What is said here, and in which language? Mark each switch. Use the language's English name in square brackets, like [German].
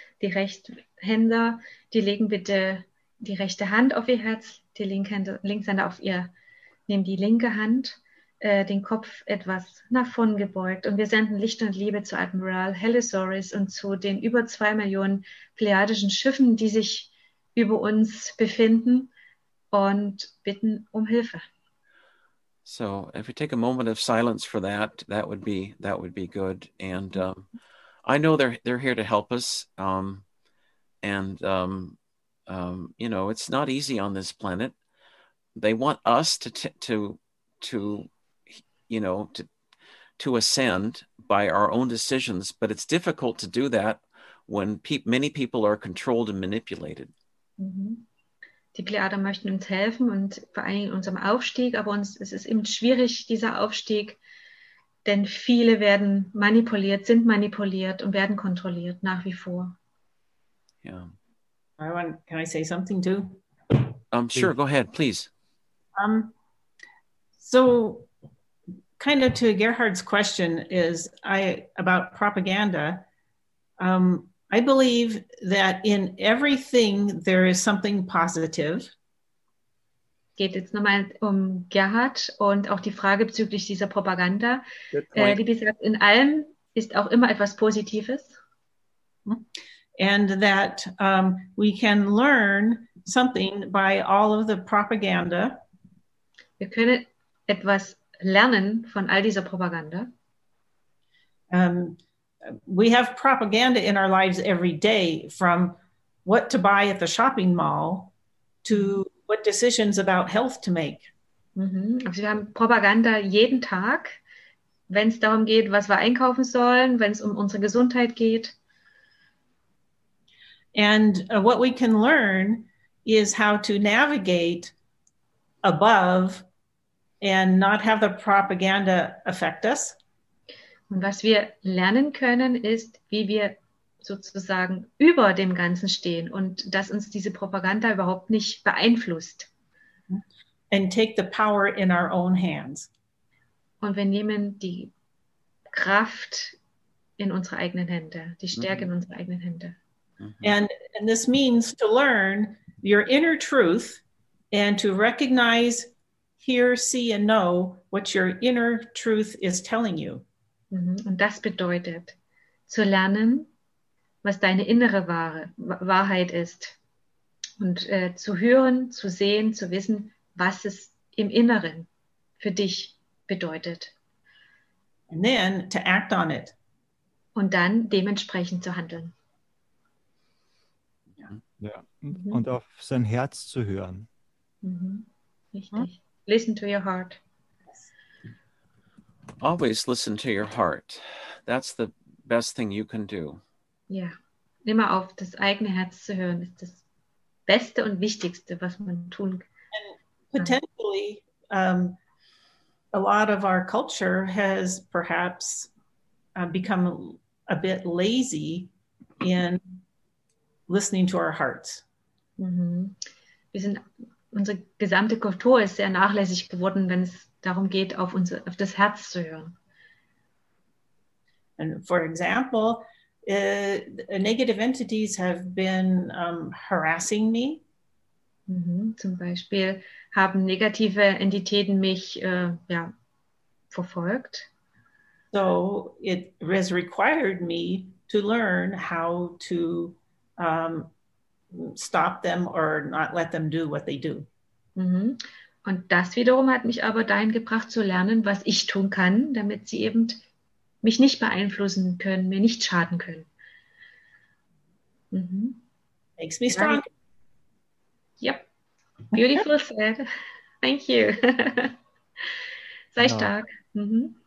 [German] Die Rechtshänder, die legen bitte die rechte Hand auf ihr Herz, die Linkshänder auf ihr, nehmen die linke Hand, den Kopf etwas nach vorn gebeugt und wir senden Licht und Liebe zu Admiral Halosaurus und zu den über 2 Millionen pleiadischen Schiffen, die sich über uns befinden und bitten um Hilfe. [English] So if we take a moment of silence for that, that would be good. And I know they're here to help us. You know, it's not easy on this planet. They want us to ascend by our own decisions, but it's difficult to do that when many people are controlled and manipulated. Mm-hmm. [German] Die Pleiader möchten uns helfen und vor allem in unserem Aufstieg, aber es ist eben schwierig, dieser Aufstieg, denn viele werden manipuliert, sind manipuliert und werden kontrolliert nach wie vor. Ja. [English] Yeah. Can I say something too? Sure, go ahead, please. So, kind of to Gerhard's question is about propaganda. I believe that in everything there is something positive. [German] Geht jetzt nochmal um Gerhard und auch die Frage bezüglich dieser Propaganda. Wie gesagt, in allem ist auch immer etwas Positives. [English] And that we can learn something by all of the propaganda. [German] Wir können etwas lernen von all dieser Propaganda. [English] We have propaganda in our lives every day from what to buy at the shopping mall to what decisions about health to make. [German] Also wir haben Propaganda jeden Tag, wenn es darum geht, was wir einkaufen sollen, wenn es um unsere Gesundheit geht. [English] And what we can learn is how to navigate above and not have the propaganda affect us. [German] Und was wir lernen können, ist, wie wir sozusagen über dem Ganzen stehen und dass uns diese Propaganda überhaupt nicht beeinflusst. [English] And take the power in our own hands. [German] Und wir nehmen die Kraft in unsere eigenen Hände, die Stärke in unsere eigenen Hände. [English] And this means to learn your inner truth and to recognize, hear, see and know what your inner truth is telling you. [German] Und das bedeutet, zu lernen, was deine innere Wahrheit ist. Und zu hören, zu sehen, zu wissen, was es im Inneren für dich bedeutet. [English] And then to act on it. [German] Und dann dementsprechend zu handeln. Ja. Und auf sein Herz zu hören. Richtig. [English] Hm? Listen to your heart. Always listen to your heart. That's the best thing you can do. [German] Ja, immer auf das eigene Herz zu hören, ist das Beste und Wichtigste, was man tun kann. [English] And potentially, a lot of our culture has perhaps become a bit lazy in listening to our hearts. Mm-hmm. [German] Wir sind, unsere gesamte Kultur ist sehr nachlässig geworden, wenn es darum geht, auf das Herz zu hören. [English] And for example, negative entities have been harassing me. [German] Mm-hmm. Zum Beispiel haben negative Entitäten mich verfolgt. [English] So it has required me to learn how to stop them or not let them do what they do. Mm-hmm. [German] Und das wiederum hat mich aber dahin gebracht zu lernen, was ich tun kann, damit sie eben mich nicht beeinflussen können, mir nicht schaden können. [English] Mm-hmm. Makes me strong. Yep. Beautiful said. Thank you. [German] Sei genau. Stark. [English] Mm-hmm.